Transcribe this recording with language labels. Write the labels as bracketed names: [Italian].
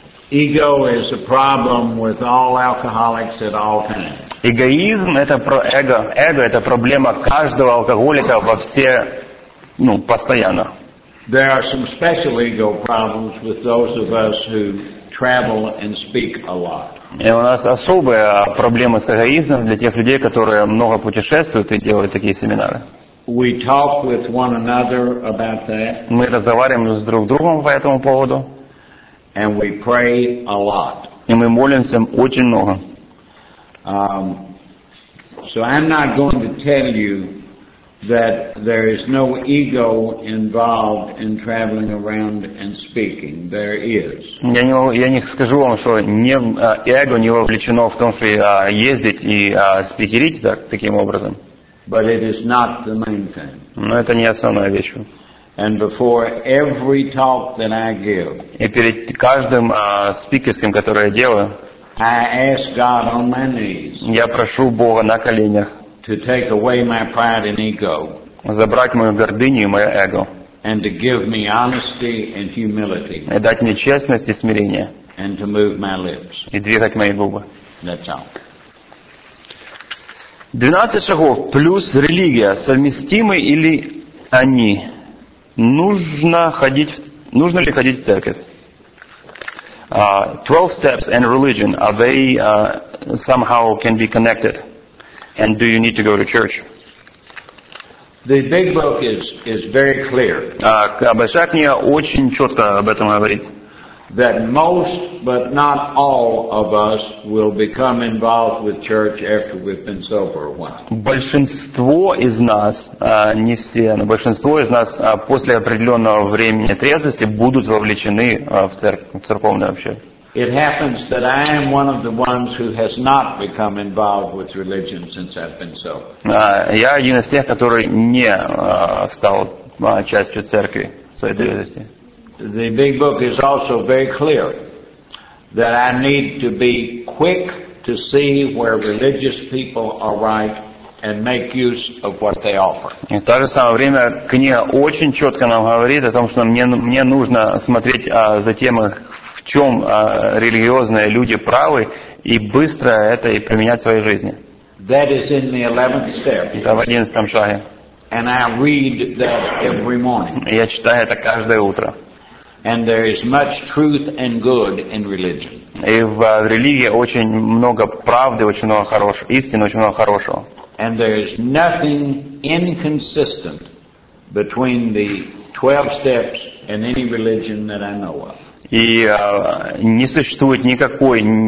[English] Ego is a problem with all alcoholics at all times. [Russian] Эгоизм это эго. Эго это проблема каждого алкоголика во все постоянно. [English] There are some special ego problems with those of us who travel and speak a lot. [Russian] И у нас особая проблема с эгоизмом для тех людей, которые много путешествуют и делают такие семинары. [English] We talk with one another about that. [Russian] Мы разговариваем с друг другом по этому поводу. [English] And we pray a lot. [Russian] И мы молимся очень много. [English] So I'm not going to tell you that there is no ego involved in traveling around and speaking. There is. [Russian] Я не скажу вам, что эго не вовлечено в том, что ездить и спикерить таким образом. [English] But it is not the main thing. [Russian] Но это не основная вещь. [English] And before every talk that I give. [Russian] И перед каждым спикерским, который я делаю. [English] I ask God on my knees. [Russian] Я прошу Бога на коленях. [English] To take away my pride and ego. [Russian] Забрать мою гордыню и мое эго. [English] And to give me honesty and humility. [Russian] И дать мне честность и смирение. [English] And to move my lips. [Russian] И двигать мои губы. [English] That's all. [Russian] 12 шагов плюс религия совместимы или они? Нужно ли ходить в церковь? [English] 12 steps and religion, are they somehow can be connected? And do you need to go to church? The big book is very clear. [Russian] Большая книга очень четко об этом говорит. [English] That most, but not all of us, will become involved with church after we've been sober a while. [Russian] Большинство из нас, не все, но большинство из нас после определенного времени трезвости будут вовлечены в церковное общение. [English] It happens that I am one of the ones who has not become involved with religion since I've been sober. [Russian] Я один из тех, который не стал частью церкви в своей трезвости. [English] The big book is also very clear that I need to be quick to see where religious people are right and make use of what they offer. [Russian] И в то же самое время книга очень четко нам говорит о том, что мне нужно смотреть за тем, в чем религиозные люди правы, и быстро это и применять в своей жизни. [English] That is in the 11th step. [Russian] Это в 11 шаге. [English] And I read that every morning. [Russian] Я читаю это каждое утро. [English] And there is much truth and good in religion. [Russian] И в религии очень много правды, очень много хорошего, истины, очень много хорошего. [English] And there is nothing inconsistent between the 12 steps and any religion that I know of. [Russian] И не существует никакой